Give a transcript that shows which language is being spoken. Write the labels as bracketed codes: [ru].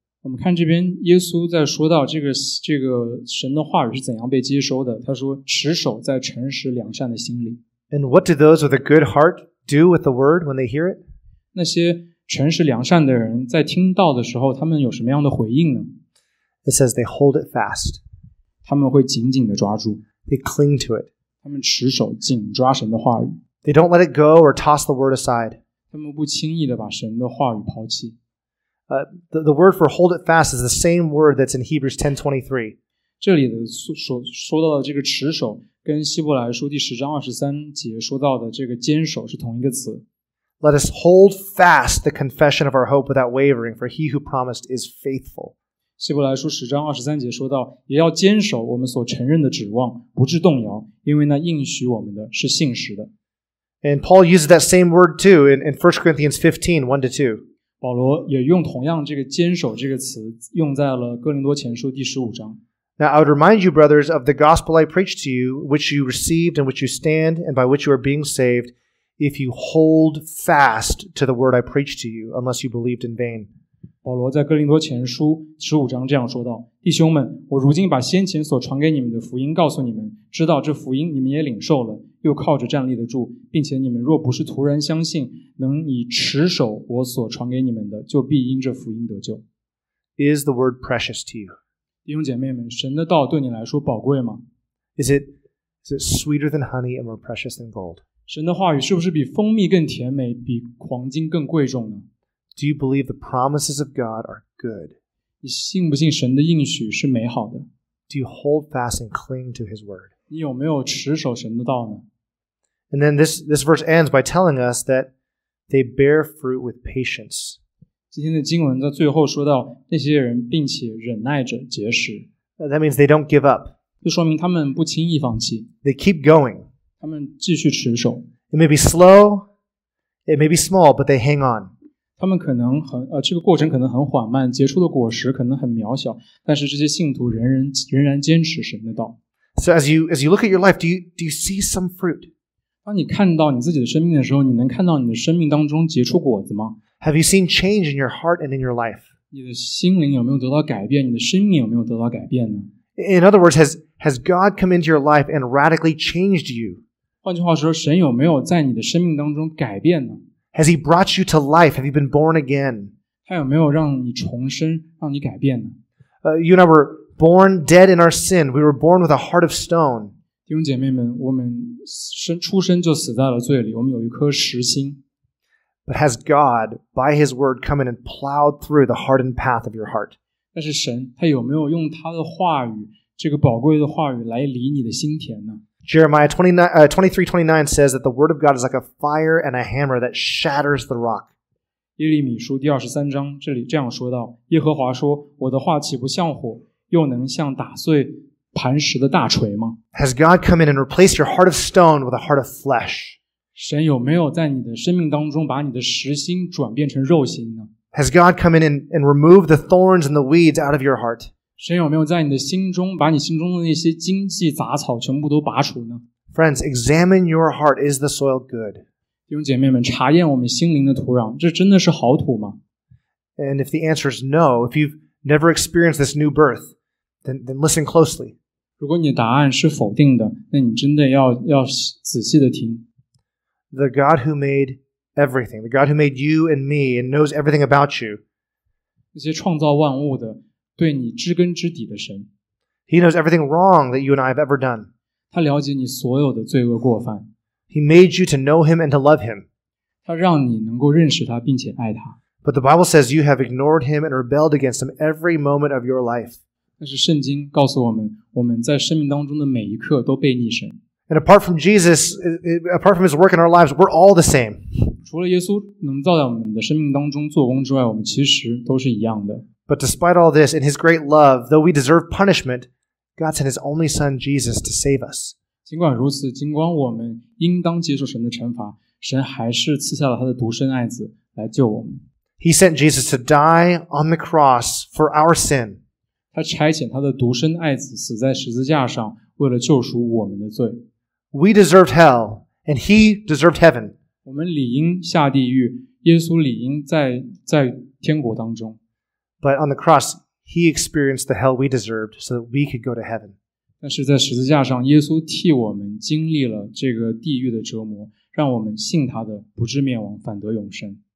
[zh] 我们看这边耶稣在说到这个神的话语是怎样被接收的，他说持守在诚实良善的心里。 [en] And what do those with a good heart do with the word when they hear it? [zh] 那些诚实良善的人在听到的时候，他们有什么样的回应呢？ [en] It says they hold it fast. [zh] 他们会紧紧地抓住。 [en] They cling to it. [zh] 他们持守紧抓神的话语。 [en] They don't let it go or toss the word aside. [zh] 他们不轻易地把神的话语抛弃。 [en] The word for hold it fast is the same word that's in Hebrews 10:23. [zh] 这里的说到的这个持守跟希伯来书第十章二十三节说到的这个坚守是同一个词。 [en] Let us hold fast the confession of our hope without wavering, for he who promised is faithful. [zh] 希伯来书十章二十三节说到，也要坚守我们所承认的指望，不致动摇，因为那应许我们的是信实的。 [en] And Paul uses that same word too in 1 Corinthians 15:1-2. [zh] 保罗也用同样这个坚守这个词用在了哥林多前书第十五章。 [en] Now I would remind you, brothers, of the gospel I preached to you, which you received, and which you stand, and by which you are being saved, if you hold fast to the word I preached to you, unless you believed in vain. [zh] 保罗在哥林多前书十五章这样说道，弟兄们，我如今把先前所传给你们的福音告诉你们，知道这福音你们也领受了。又靠着站立得住，并且你们若不是突然相信，能以持守我所传给你们的，就必因这福音得救。 [en] Is the word precious to you? [zh] 弟兄姐妹们，神的道对你来说宝贵吗？ [en] Is it sweeter than honey and more precious than gold? [zh] 神的话语是不是比蜂蜜更甜美，比黄金更贵重呢？ [en] Do you believe the promises of God are good? [zh] 你信不信神的应许是美好的？ [en] Do you hold fast and cling to his word? [zh] 你有没有持守神的道呢？ [en] And then this verse ends by telling us that they bear fruit with patience. [zh] 今天的经文在最后说到，那些人并且忍耐着结实。 [en] That means they don't give up. [zh] 就说明他们不轻易放弃。 [en] They keep going. [zh] 他们继续持守。 [en] It may be slow, it may be small, but they hang on. [zh] 他们可能这个过程可能很缓慢，结出的果实可能很渺小，但是这些信徒仍然坚持神的道。 [en] So as you look at your life, do you see some fruit? [zh] 当你看到你自己的生命的时候，你能看到你的生命当中结出果子吗？ [en] Have you seen change in your heart and in your life? [zh] 你的心灵有没有得到改变？你的生命有没有得到改变呢？ [en] In other words, has God come into your life and radically changed you? [zh] 换句话说，神有没有在你的生命当中改变呢？ [en] Has He brought you to life? Have you been born again? [zh] 他有没有让你重生，让你改变呢？ [en] You and I were. Born dead in our sin, we were born with a heart of stone. [zh] 弟兄姐妹们，我们出生就死在了罪里，我们有一颗石心。 [en] But has God, by His word, come in and plowed through the hardened path of your heart? [zh] 但是神，他有没有用他的话语，这个宝贵的话语来理你的心田呢？ [en] Jeremiah 23:29 says that the word of God is like a fire and a hammer that shatters the rock. [zh] 耶利米书第二十三章这里这样说道：耶和华说，我的话岂不像火，又能像打碎磐石的大锤吗？ [en] Has God come in and replaced your heart of stone with a heart of flesh? [zh] 神有没有在你的生命当中把你的石心转变成肉心呢？ [en] Has God come in and removed the thorns and the weeds out of your heart? [zh] 神有没有在你的心中把你心中的那些荆棘杂草全部都拔除呢？ [en] Friends, examine your heart. Is the soil good? [zh] 弟兄姐妹们，查验我们心灵的土壤，这真的是好土吗？ [en] And if the answer is no, if you've never experienced this new birth, then listen closely. [zh] 如果你答案是否定的，那你真的要仔细的听。 [en] The God who made everything, the God who made you and me and knows everything about you. [zh] 那些创造万物的，对你知根知底的神。 [en] He knows everything wrong that you and I have ever done. [zh] 他了解你所有的罪恶过犯。 [en] He made you to know him and to love him. [zh] 他让你能够认识他并且爱他。 [en] But the Bible says you have ignored him and rebelled against him every moment of your life. [zh] 但是圣经告诉我们，我们在生命当中的每一刻都背逆神。 [en] And apart from Jesus, apart from his work in our lives, we're all the same. [zh] 除了耶稣能在我们的生命当中做工之外，我们其实都是一样的。 [en] But despite all this, in his great love, though we deserve punishment, God sent his only son Jesus to save us. [zh] 尽管如此，尽管我们应当接受神的惩罚，神还是赐下了他的独生爱子来救我们。 [en] He sent Jesus to die on the cross for our sin. [zh] 他差遣他的独生爱子死在十字架上，为了救赎我们的罪。 [en] We deserved hell, and he deserved heaven. [zh] 我们理应下地狱，耶稣理应在天国当中。 [en] But on the cross, he experienced the hell we deserved so that we could go to heaven. [zh] 但是在十字架上，耶稣替我们经历了这个地狱的折磨，让我们信他的不至灭亡，反得永生。